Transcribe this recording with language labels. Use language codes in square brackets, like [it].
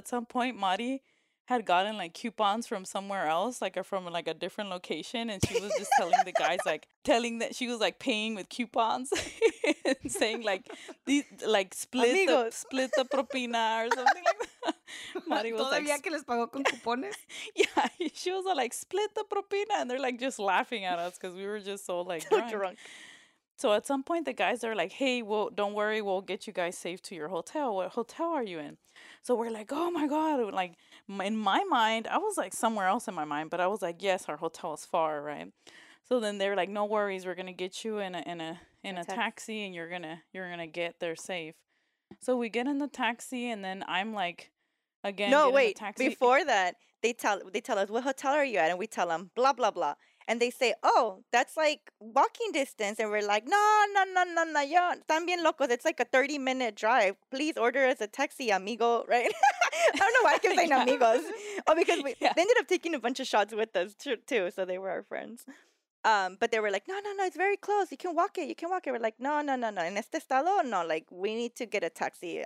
[en] At some point, Mari had gotten like coupons from somewhere else, like from like a different location, and she was just telling the guys like telling that she was like paying with coupons, and saying like these like split the propina or something like that. [es] Mari [en] was [es] todavía [en] like, [es] que les pagó con cupones. [en] Yeah, she was like split the propina, and they're like just laughing at us because we were just so like drunk. So at some point, the guys are like, hey, well, don't worry. We'll get you guys safe to your hotel. What hotel are you in? So we're like, oh, my God. Like, in my mind, I was like somewhere else in my mind. But I was like, yes, our hotel is far, right? So then they're like, no worries. We're going to get you in a taxi and you're gonna get there safe. So we get in the taxi and then I'm like, again. No, wait. Taxi. Before that, they tell us, what hotel are you at? And we tell them, blah, blah, blah. And they say, oh, that's like walking distance. And we're like, no, [es] yo, están bien locos. [en] It's like a 30-minute drive. Please order us a taxi, amigo, right? I don't know why I keep saying amigos. Oh, because they ended up taking a bunch of shots with us, too. So they were our friends. But they were like, no, it's very close. You can walk it. We're like, no. [es] En este estado, no, [en] like, we need to get a taxi.